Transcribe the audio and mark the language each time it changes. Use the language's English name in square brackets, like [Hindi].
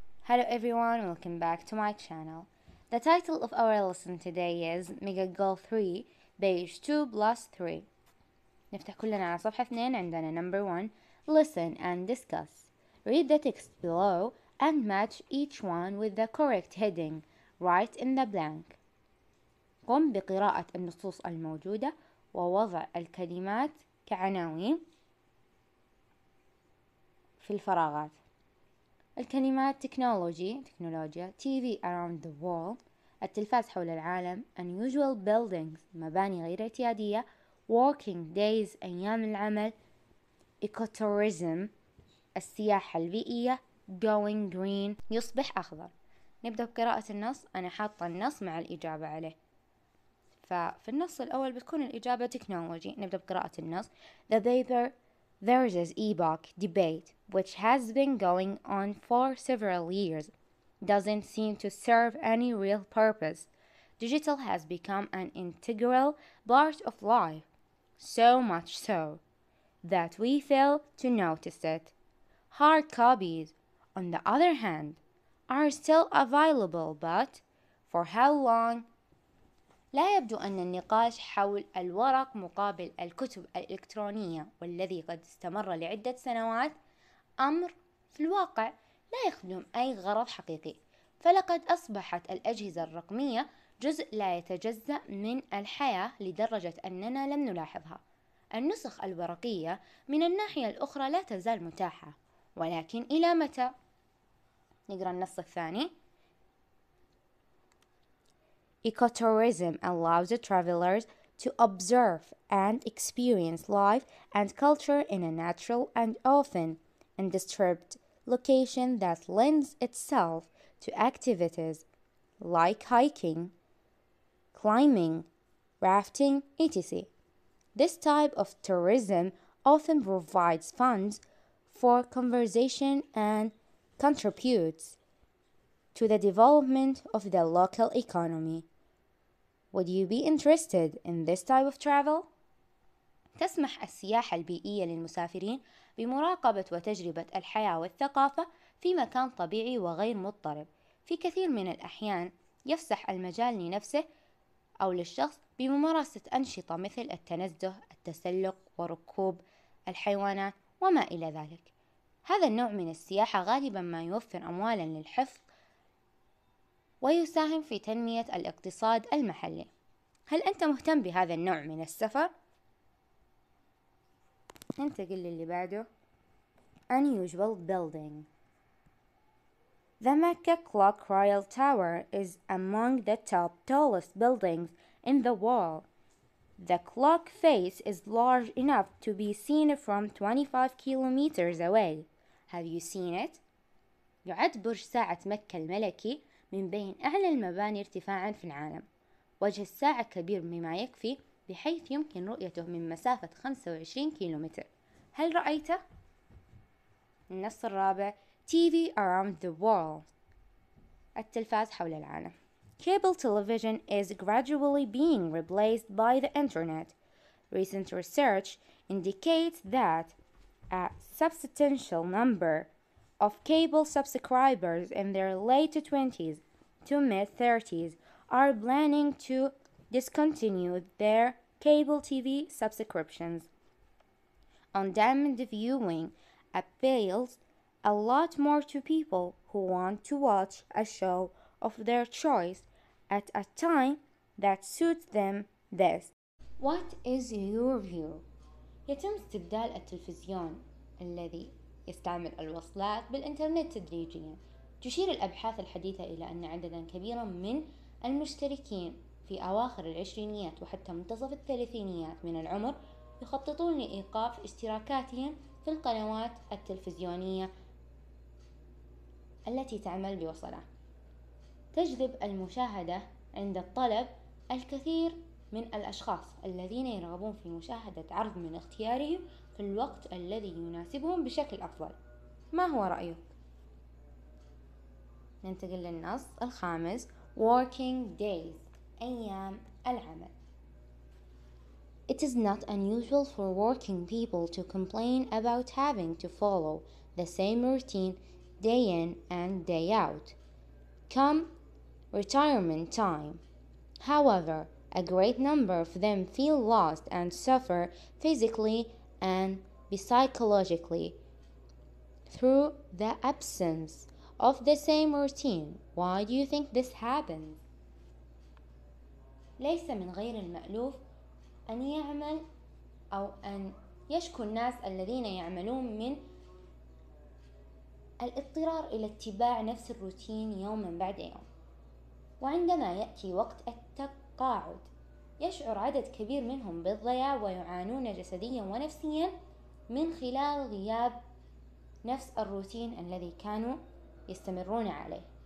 [English] Hello everyone, welcome back to my channel. The title of our lesson today is Mega Goal 3, page 2 plus 3. [Arabic] نفتح كلنا على صفحة 2 عندنا [English] number 1, listen and discuss. Read the text below and match each one with the correct heading. Write in the blank. [Arabic] قم بقراءة النصوص الموجودة ووضع الكلمات كعناوين في الفراغات. الكلمات technology تكنولوجيا, [English] TV around the wall [Arabic] التلفاز حول العالم, [English] unusual buildings [Arabic] مباني غير اعتيادية, [English] working days [Arabic] أيام العمل, ecotourism السياحة البيئية, [English] going green [Arabic] يصبح أخضر. نبدأ بقراءة النص. أنا حاطة النص مع الإجابة عليه. ففي النص الأول بتكون الإجابة technology. نبدأ بقراءة النص. [English] The paper There is this epoch debate which has been going on for several years doesn't seem to serve any real purpose. Digital has become an integral part of life, so much so that we fail to notice it. Hard copies, on the other hand, are still available, but for how long? [Arabic] لا يبدو أن النقاش حول الورق مقابل الكتب الإلكترونية والذي قد استمر لعدة سنوات أمر في الواقع لا يخدم أي غرض حقيقي، فلقد أصبحت الأجهزة الرقمية جزء لا يتجزأ من الحياة لدرجة أننا لم نلاحظها. النسخ الورقية من الناحية الأخرى لا تزال متاحة، ولكن إلى متى؟ نقرأ النص الثاني. [English] Ecotourism allows the travelers to observe and experience life and culture in a natural and often undisturbed location that lends itself to activities like hiking, climbing, rafting, etc. This type of tourism often provides funds for conservation and contributes to the development of the local economy. Would you be interested in this type of travel? [Arabic] تسمح السياحة البيئية للمسافرين بمراقبة وتجربة الحياة والثقافة في مكان طبيعي وغير مضطرب. في كثير من الأحيان يفسح المجال لنفسه أو للشخص بممارسة أنشطة مثل التنزه، التسلق، وركوب الحيوانات وما إلى ذلك. هذا النوع من السياحة غالبا ما يوفر أموالا للحفظ ويساهم في تنمية الاقتصاد المحلي. هل أنت مهتم بهذا النوع من السفر؟ ننتقل للي بعده. [English] Unusual building. The Mecca Clock Royal Tower is among the top tallest buildings in the world. The clock face is large enough to be seen from 25 kilometers away. Have you seen it? [Arabic] يعد برج ساعة مكة الملكي من بين أعلى المباني ارتفاعاً في العالم. وجه الساعة كبير بما يكفي بحيث يمكن رؤيته من مسافة 25 كيلومتر. هل رأيته؟ النص الرابع. [English] TV around the world. [Arabic] التلفاز حول العالم. [English] Cable television is gradually being replaced by the internet. Recent research indicates that a substantial number of cable subscribers in their late 20s to mid-30s are planning to discontinue their cable TV subscriptions. On-demand viewing appeals a lot more to people who want to watch a show of their choice at a time that suits them best. What is your view? [Arabic] يتم استبدال التلفزيون الذي يستعمل الوصلات بالإنترنت تدريجياً. تشير الأبحاث الحديثة إلى أن عدداً كبيراً من المشتركين في أواخر العشرينيات وحتى منتصف الثلاثينيات من العمر يخططون لإيقاف اشتراكاتهم في القنوات التلفزيونية التي تعمل بوصلة. تجذب المشاهدة عند الطلب الكثير من الأشخاص الذين يرغبون في مشاهدة عرض من اختيارهم في الوقت الذي يناسبهم بشكل أفضل. ما هو رأيك؟ ننتقل للنص الخامس. [English] Working days [Arabic] أيام العمل. [English] It is not unusual for working people to complain about having to follow the same routine day in and day out. Come retirement time, however, a great number of them feel lost and suffer physically and psychologically through the absence of the same routine. Why do you think this happens? [Arabic] ليس من غير المألوف أن يعمل أو أن يشكو الناس الذين يعملون من الاضطرار إلى اتباع نفس الروتين يوما بعد يوم. وعندما يأتي وقت التقاعد يشعر عدد كبير منهم بالضياع ويعانون جسديا ونفسيا من خلال غياب نفس الروتين الذي كانوا يستمرون عليه.